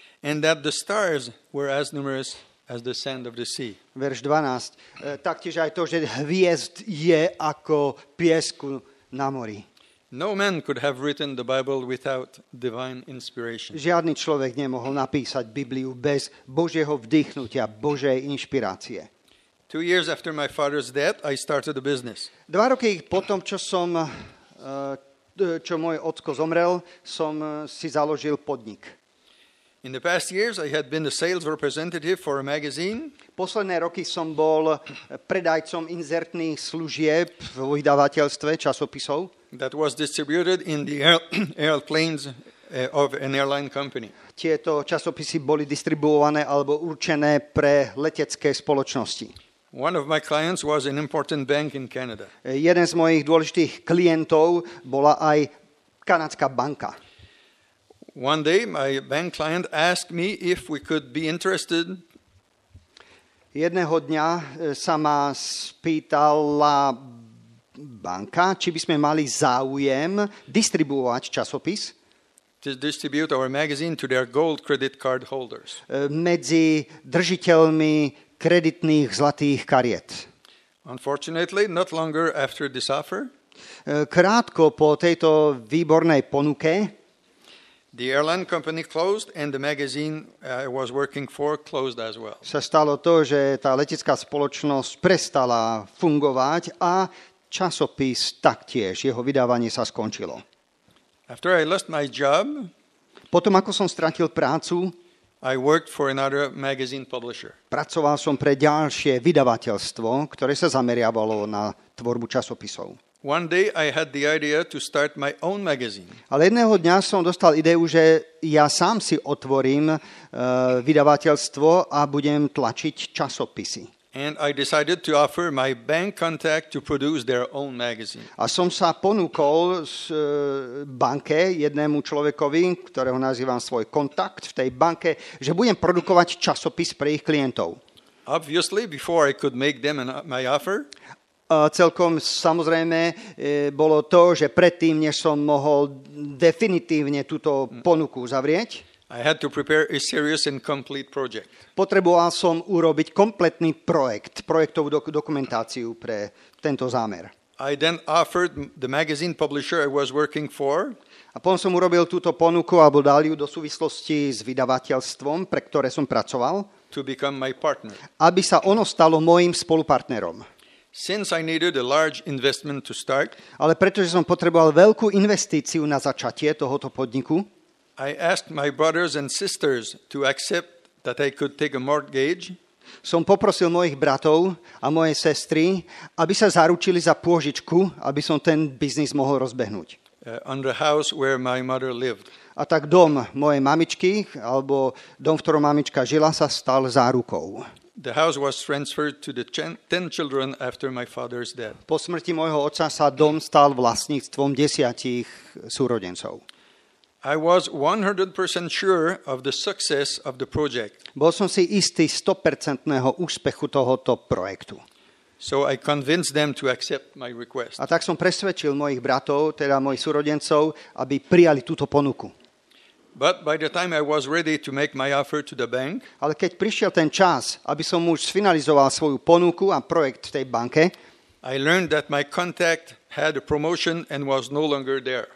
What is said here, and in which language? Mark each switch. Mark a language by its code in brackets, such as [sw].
[en] And that the stars were as numerous as the sand of the sea. [sk] Verš 12. Taktiež aj to, že hviezd je ako piesku na mori. [en] No man could have written the Bible without divine inspiration. [sk] Žiadny človek nemohol napísať Bibliu bez Božieho vdýchnutia, Božej inšpirácie. [en] 2 years after my father's death, I started a business. [sk] 2 roky potom, čo som čo môj otko zomrel, som si založil podnik. [en] In the past years I had been a sales representative for a magazine. [sk] Posledné roky som bol predajcom inzertných služieb v vydavateľstve časopisov. [en] That was distributed in the airplanes of an airline company. [sk] Tieto časopisy boli distribuované alebo určené pre letecké spoločnosti. [en] One of my clients was an important bank in Canada. [sk] Jeden z mojich dôležitých klientov bola aj kanadská banka. [en] One day my bank client asked me if we could be interested. [sk] Jedného dňa sa ma spýtala banka, či by sme mali záujem distribuovať časopis. [en] To distribute our magazine to their gold credit card holders. [sk] Medzi držiteľmi kreditných zlatých kariet. [en] Unfortunately, not longer after this offer, [sk] krátko po tejto výbornej ponuke, [en] the airline company closed and the magazine I was working for closed as well. [sk] Sa stalo to, že tá letecká spoločnosť prestala fungovať a časopis taktiež, jeho vydávanie sa skončilo. [en] After I lost my job, [sk] potom ako som stratil prácu, [en] I worked for another magazine publisher. [sk] Pracoval som pre ďalšie vydavateľstvo, ktoré sa zameriavalo na tvorbu časopisov. [en] One day I had the idea to start my own magazine. [sk] Ale jedného dňa som dostal ideu, že ja sám si otvorím vydavateľstvo a budem tlačiť časopisy. [en] And I decided to offer my bank contact to produce their own magazine. [sk] A som sa ponúkol z banke jednému človekovi, ktorého nazývam svoj kontakt v tej banke, že budem produkovať časopis pre ich klientov. [en] Obviously, before I could make them my offer. [sk] A celkom samozrejme bolo to, že predtým, než som mohol definitívne túto ponuku zavrieť, [en] I had to prepare a serious and complete project. [sk] Potreboval som urobiť kompletný projekt, projektovú dokumentáciu pre tento zámer. [en] I then offered the magazine publisher I was working for. [sk] A potom som urobil túto ponuku alebo dal ju do súvislosti s vydavateľstvom, pre ktoré som pracoval, [en] to become my partner. [sk] Aby sa ono stalo mojim spolupartnerom. [en] Since I needed a large investment to start. [sk] Ale pretože som potreboval veľkú investíciu na začatie tohoto podniku, [en] I asked my brothers and sisters to accept that I could take a mortgage. [sk] Som poprosil mojich bratov a moje sestry, aby sa zaručili za pôžičku, aby som ten biznis mohol rozbehnúť. [en] on the house where my mother lived. [sk] A tak dom mojej mamičky, alebo dom, v ktorom mamička žila, sa stal zárukou. [en] The house was transferred to the 10 children after my father's death. [sk] Po smrti mojho otca sa dom stal vlastníctvom 10 súrodencov. [en] I was 100% sure of the success of the project. [sk] Bol som si istý 100% úspechu tohoto projektu. [en] So I convinced them to accept my request. [sk] A tak som presvedčil mojich bratov, teda mojich súrodencov, aby prijali túto ponuku. [en] But by the time I was ready to make my offer to the bank, [sk] ale keď prišiel ten čas, aby som už sfinalizoval svoju ponuku a projekt v tej banke, [en] I learned that my contact had a promotion and was no longer there.